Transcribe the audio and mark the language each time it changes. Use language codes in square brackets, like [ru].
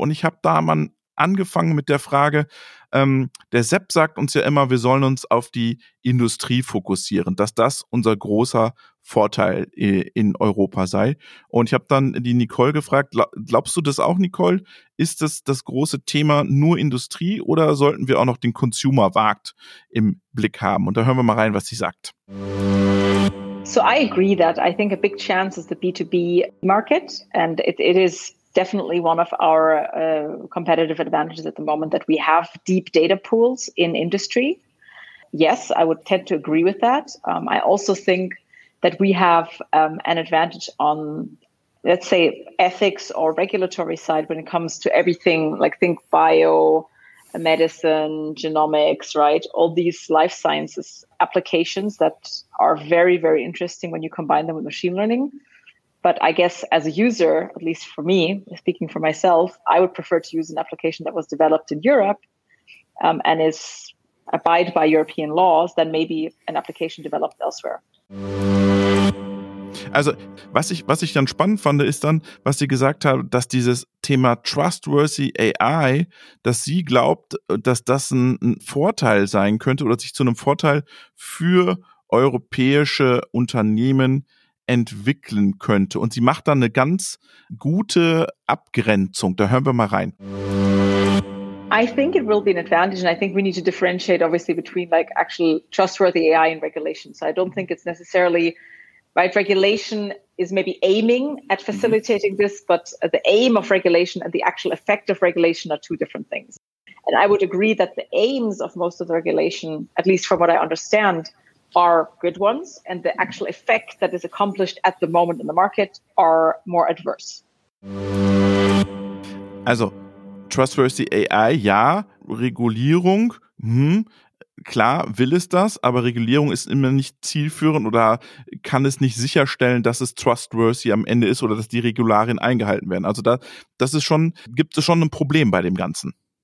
[de] Und ich habe da mal angefangen mit der Frage, der Sepp sagt uns ja immer, wir sollen uns auf die Industrie fokussieren, dass das unser großer Vorteil in Europa sei. Und ich habe dann die Nicole gefragt, glaubst du das auch, Nicole? Ist das große Thema nur Industrie oder sollten wir auch noch den Consumer-Markt im Blick haben? Und da hören wir mal rein, was sie sagt. [en] So I agree that I think a big chance is the B2B market, and it is definitely one of our competitive advantages at the moment that we have deep data pools in industry. Yes, I would tend to agree with that. I also think that we have an advantage on, let's say, ethics or regulatory side when it comes to everything, like think bio, medicine, genomics, right? All these life sciences applications that are very, very interesting when you combine them with machine learning. But I guess as a user, at least for me, speaking for myself, I would prefer to use an application that was developed in Europe and is abide by European laws than maybe an application developed elsewhere. [de] Also was ich dann spannend fand, ist dann, was sie gesagt hat, dass dieses Thema Trustworthy AI, dass sie glaubt, dass das ein Vorteil sein könnte oder sich zu einem Vorteil für europäische Unternehmen entwickeln könnte. Und sie macht dann eine ganz gute Abgrenzung. Da hören wir mal rein. I think it will be an advantage, and I think we need to differentiate obviously between like actual trustworthy AI and regulation. So I don't think it's necessarily right. Regulation is maybe aiming at facilitating this, but the aim of regulation and the actual effect of regulation are two different things. And I would agree that the aims of most of the regulation, at least from what I understand, are good ones, and the actual effect that is accomplished at the moment in the market are more adverse. Also, trustworthy AI, ja, Regulierung, klar will es das, aber Regulierung ist immer nicht zielführend oder kann es nicht sicherstellen, dass es trustworthy am Ende ist oder dass die Regularien eingehalten werden. Also gibt es schon ein Problem bei dem Ganzen.